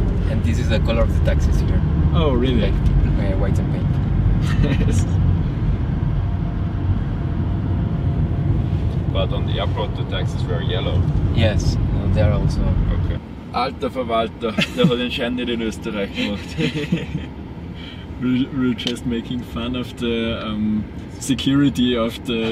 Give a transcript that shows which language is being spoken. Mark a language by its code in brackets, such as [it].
[en] And this is the color of the taxis here. Oh, really? Like, white and pink. Yes. But on the airport, the taxis were yellow. Yes, and they are also. Okay. [de] Alter Verwalter, der hat den Schein nicht in Österreich gemacht. [en] We're just making fun of the security of the...